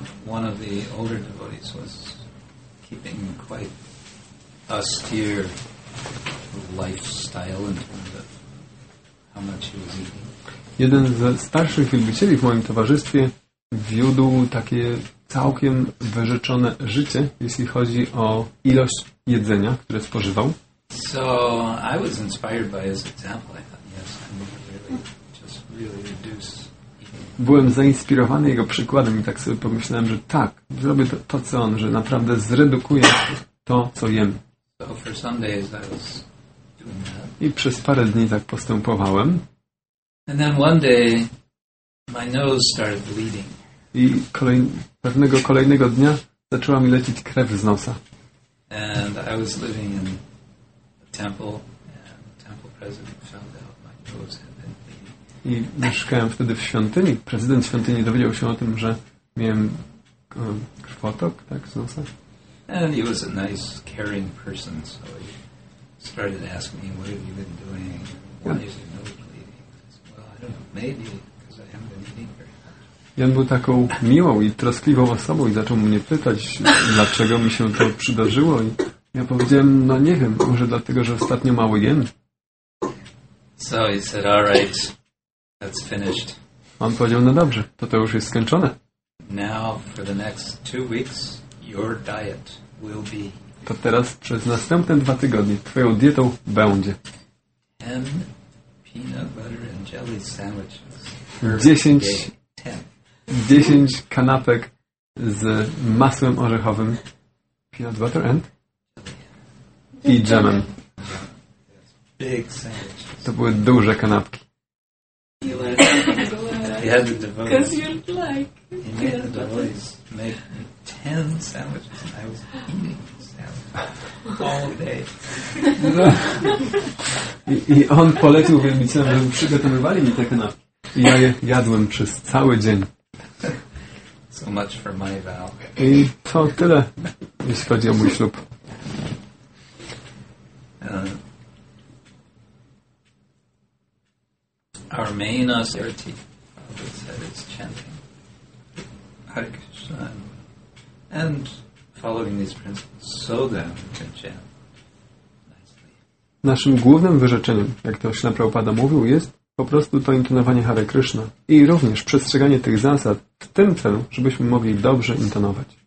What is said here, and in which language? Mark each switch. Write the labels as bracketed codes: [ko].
[en] One of the older devotees was keeping quite austere lifestyle in terms of how much he was eating. [pl] Jeden ze starszych wielbicieli w moim towarzystwie wiódł takie całkiem wyrzeczone życie, jeśli chodzi o ilość jedzenia, które spożywał. [en] So I was inspired by his example. I thought, yes, I mean, really reduce. [pl] Byłem zainspirowany jego przykładem i tak sobie pomyślałem, że tak, zrobię to, co on, że naprawdę zredukuję to, co jem. [en] So for some days I was doing that. [pl] I przez parę dni tak postępowałem. [en] And then one day my nose started bleeding. [pl] I pewnego kolejnego dnia zaczęła mi lecieć krew z nosa. [en] And I was living in a temple and the temple president found out my nose. [pl] I mieszkałem wtedy w świątyni. Prezydent świątyni dowiedział się o tym, że miałem krwotok, tak, z nosa. [en] And he was a nice, caring person, so he started asking me, what have you been doing? Why is your nose bleeding? I said, well, I don't know, maybe, because I haven't been eating very much. [pl] I on był taką miłą i troskliwą osobą i zaczął mnie pytać, dlaczego mi się to przydarzyło. I ja powiedziałem, no nie wiem, może dlatego, że ostatnio mało jem. [en] So he said, all right. That's finished. [pl] On powiedział, no dobrze, to już jest skończone. [en] Now for the next 2 weeks, your diet will be. [pl] To teraz przez następne 2 tygodnie twoją dietą będzie. [en] 10 peanut butter and jelly sandwiches. [pl] 10 kanapek z masłem orzechowym, [en] peanut butter and [pl] i jamem. [en] Big sandwiches. [pl] To były duże kanapki. [en] He had the devotees. Because you're like. He made the devotees make 10 sandwiches. And I was eating sandwiches all day. No. [pl] I on polecił wielbicielom, żeby przygotowywali mi te kanapki. I ja je jadłem przez cały dzień. [en] So much for my vow. [pl] I to tyle, jeśli chodzi o mój ślub. [en] Our main austerity, Prabhupada said, is chanting Hare Krishna and following these principles so that we can chant nicely. [pl] Naszym głównym wyrzeczeniem, jak to Śrila Prabhupada mówił, jest po prostu to intonowanie Hare Krishna i również przestrzeganie tych zasad w tym celu, żebyśmy mogli dobrze intonować.